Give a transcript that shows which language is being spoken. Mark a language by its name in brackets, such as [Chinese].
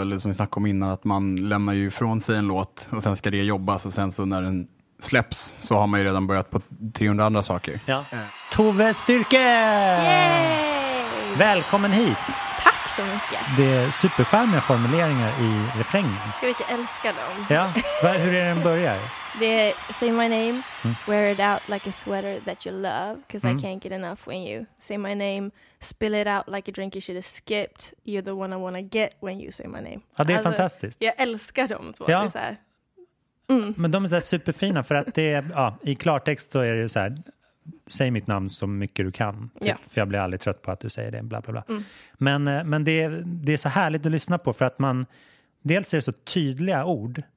[Swedish] Eller som vi snackade om innan, att man lämnar ju ifrån sig en låt och sen ska det jobbas och sen så när den släpps så har man ju redan börjat på 300 andra saker. Ja. Tove Styrke! Yay! Välkommen hit. Tack så mycket. Det är superskärmiga formuleringar i refrängen. Jag vet, jag älskar dem. Ja. Hur är den börjar? [English] Det är say my name, wear it out like a sweater that you love, because I can't get enough when you say my name, spill it out like a drink you should have skipped, you're the one I wanna get when you say my name. [Swedish] Ja, det är alltså, fantastiskt. Jag älskar dem två. Ja. Det är så här. Men de är så här superfina, för att det är, ja, i klartext så är det så här, säg mitt namn så mycket du kan. Ja. För jag blir aldrig trött på att du säger det. Bla, bla, bla. Mm. Men det är så härligt att lyssna på. För att man dels är det så tydliga ord.